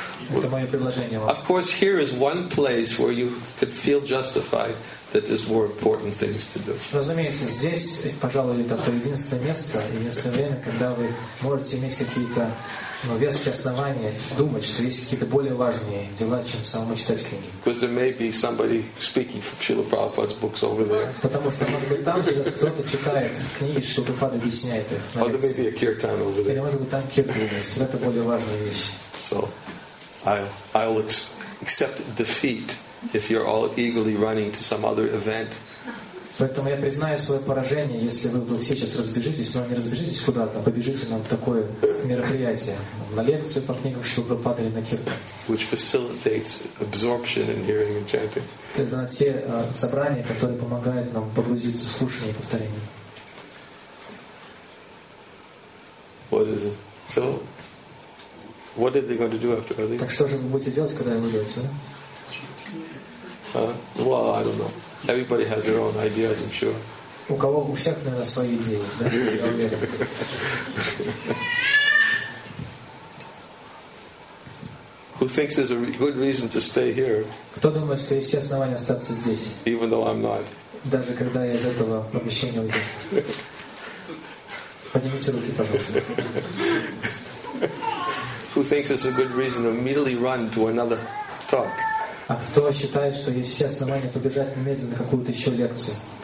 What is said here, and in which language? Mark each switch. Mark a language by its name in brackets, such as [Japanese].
[English] Of course, here is one place where you could feel justified that there's more important things to do. [Russian] Разумеется, здесь, пожалуй, это то единственное место, единственное время, когда вы можете иметь какие-то веские основания думать, что есть какие-то более важные дела, чем самому читать книги. [English] Because there may be somebody speaking from Srila Prabhupada's books over there. [Russian] Потому что, может быть, там сейчас кто-то читает книги, что Прабхупада объясняет их. [English] Or there may be a kirtan over there. [Russian] Или, может быть, там kirtan есть. Это более важная вещь. [English] So, I'll accept defeat if you're all eagerly running to some other event. [Russian] Поэтому я признаю свое поражение, если вы сейчас разбежитесь, но не разбежитесь куда-то, побежите на такое мероприятие, на лекцию по книгам Шрилы Прабхупады или на кирт. [English] Which facilitates absorption in hearing and chanting. [Russian] Это те собрания, которые помогают нам погрузиться в слушание и повторение. [English] What is it? So, what are they going to do after I leave? [Russian] Так что же вы будете делать, когда я уйду отсюда? [English] Well, I don't know. Everybody has their own ideas, I'm sure. [Russian] У кого у всех, наверное, свои идеи, да? [English] Who thinks there's a good reason to stay here? [Russian] Кто думает, что есть все основания остаться здесь? [English] Even though I'm not. [Russian] Даже когда я из этого помещения уйду. Поднимите руки, пожалуйста. [English] Who thinks there's a good reason to immediately run to another talk? [Russian] А кто считает, что есть все основания побежать немедленно на какую-то еще лекцию?